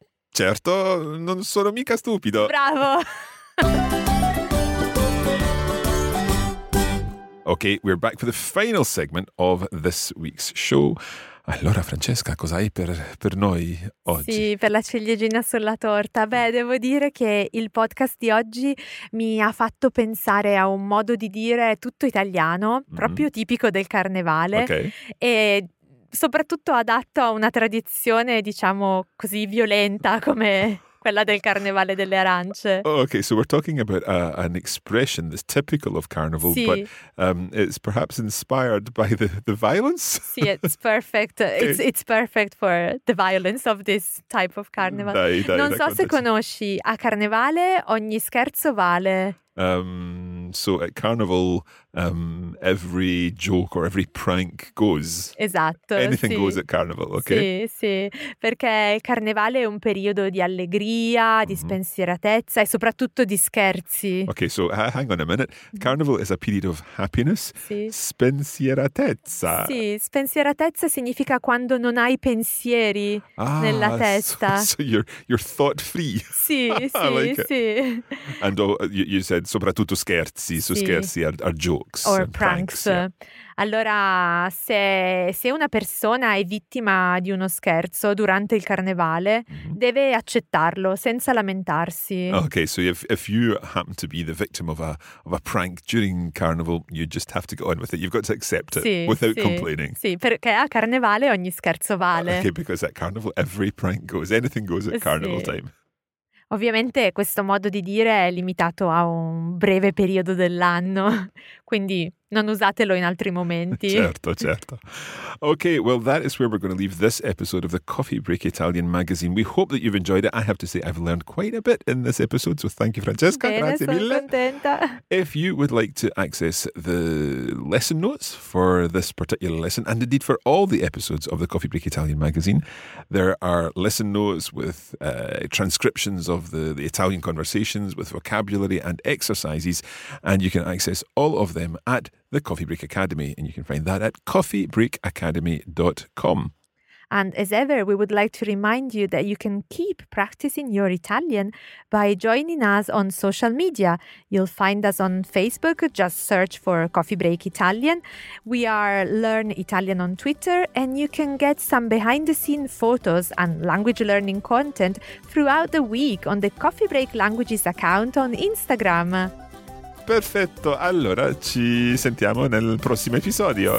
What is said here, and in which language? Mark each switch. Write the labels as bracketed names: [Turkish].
[Italian] Certo, non sono mica stupido. Bravo! [English] Ok, we're back for the final segment of this week's show. [Italian] Allora, Francesca, cosa hai per noi oggi? Sì, per la ciliegina sulla torta. Beh, devo dire che il podcast di oggi mi ha fatto pensare a un modo di dire tutto italiano, proprio tipico del carnevale. [English] Okay. [Italian] E soprattutto adatto a una tradizione, diciamo così, violenta come quella del carnevale delle arance. [English] Oh, okay, so we're talking about an expression that's typical of carnival, [Italian] sì. [English] But it's perhaps inspired by the violence? Sì, it's perfect. Okay. It's perfect for the violence of this type of carnival. [Italian] Dai, non so se conosci, a carnevale ogni scherzo vale. [English] So at carnival, every joke or every prank goes. [Italian] Esatto. [English] Anything [Italian] sì. [English] goes at carnival, okay? [Italian] Sì, sì. Perché il carnevale è un periodo di allegria, di spensieratezza e soprattutto di scherzi. [English] Okay, so hang on a minute. Carnival is a period of happiness. [Italian] Sì. Spensieratezza. Sì, spensieratezza significa quando non hai pensieri nella testa. [English] So you're thought free. [Italian] Sì, sì, [English] like [Italian] sì. [English] It. And you said [Italian] soprattutto scherzi, [English] so [Italian] sì. [English] scherzi are jokes. Or pranks. Yeah. [Italian] Allora, se una persona è vittima di uno scherzo durante il carnevale, deve accettarlo senza lamentarsi. [English] Okay, so if you happen to be the victim of a prank during carnival, you just have to go on with it. You've got to accept it [Italian] sì, [English] without [Italian] sì. [English] complaining. [Italian] Sì, perché a carnevale ogni scherzo vale. [English] Okay, because at carnival every prank goes, anything goes at carnival [Italian] sì. [English] time. [Italian] Ovviamente questo modo di dire è limitato a un breve periodo dell'anno, quindi non usatelo in altri momenti. Certo, certo. [English] Okay, well, that is where we're going to leave this episode of the Coffee Break Italian magazine. We hope that you've enjoyed it. I have to say I've learned quite a bit in this episode, so thank you, Francesca. [Italian] Bene, grazie sono mille. Contenta. [English] If you would like to access the lesson notes for this particular lesson, and indeed for all the episodes of the Coffee Break Italian magazine, there are lesson notes with transcriptions of the Italian conversations, with vocabulary and exercises, and you can access all of them at the Coffee Break Academy, and you can find that at coffeebreakacademy.com. And as ever, we would like to remind you that you can keep practicing your Italian by joining us on social media. You'll find us on Facebook, just search for Coffee Break Italian. We are Learn Italian on Twitter, and you can get some behind-the-scenes photos and language learning content throughout the week on the Coffee Break Languages account on Instagram. [Italian] Perfetto, allora ci sentiamo nel prossimo episodio.